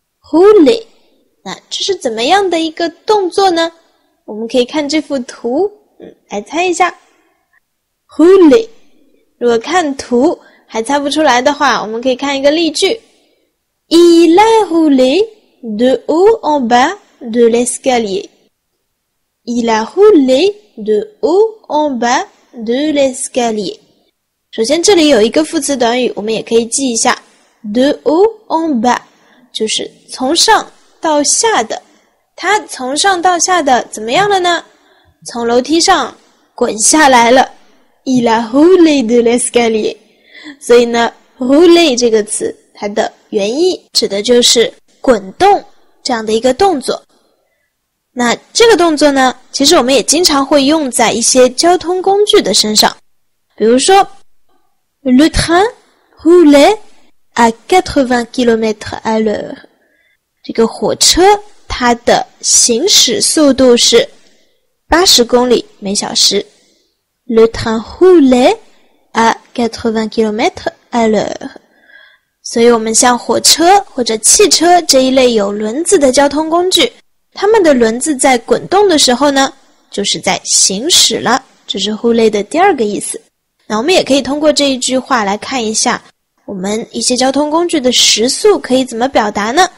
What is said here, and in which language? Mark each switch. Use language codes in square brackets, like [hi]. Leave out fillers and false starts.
[zh] rouler， 那这是怎么样的一个动作呢？我们可以看这幅图，来猜一下。rouler， 如果看图还猜不出来的话，我们可以看一个例句。 [fr] Il a roulé de haut en bas。 de l'escalier. Il a roulé de haut en bas de l'escalier. [zh] 首先这里有一个副词短语，我们也可以记一下。 [fr] De haut en bas [zh] 就是从上到下的。它从上到下的怎么样了呢？从楼梯上滚下来了。 [fr] Il a roulé de l'escalier. [zh] 所以呢 roulé 这个词它的原意指的就是滚动这样的一个动作。那这个动作呢，其实我们也经常会用在一些交通工具的身上。比如说 [fr] Le train roulait à 80 km à l'heure。 [zh] 这个火车它的行驶速度是80公里每小时。 [fr] Le train roulait à 80 km à l'heure。 [zh] 所以我们像火车或者汽车这一类有轮子的交通工具，它们的轮子在滚动的时候呢，就是在行驶了，这是 roulé 的第二个意思。那我们也可以通过这一句话来看一下我们一些交通工具的时速可以怎么表达呢？